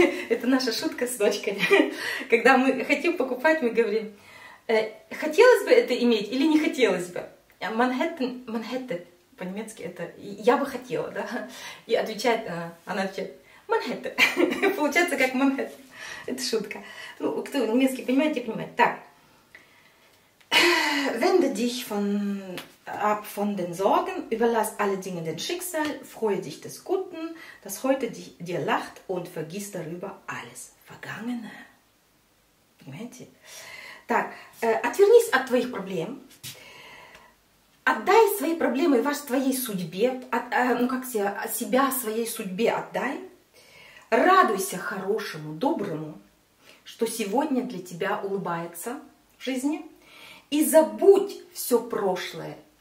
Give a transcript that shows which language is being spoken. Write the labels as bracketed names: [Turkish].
[Russian] Это наша шутка с дочкой. Когда мы хотим покупать, мы говорим, хотелось бы это иметь или не хотелось бы? Манхэттен по-немецки это я бы хотела, да? И отвечает, она отвечает, Манхэттен. Получается, как Манхэттен. Это шутка. Ну, кто немецкий понимает, те понимает. Так. [German] Wende dich von den Sorgen, überlass alle Dinge den Schicksal, freue dich des Guten, das heute dir lacht und vergiss darüber alles Vergangene. [Russian] Понимаете? Так, отвернись от твоих проблем, отдай свои проблемы твоей судьбе, себя своей судьбе отдай, радуйся хорошему, доброму, что сегодня для тебя улыбается в жизни, и забудь все прошлое.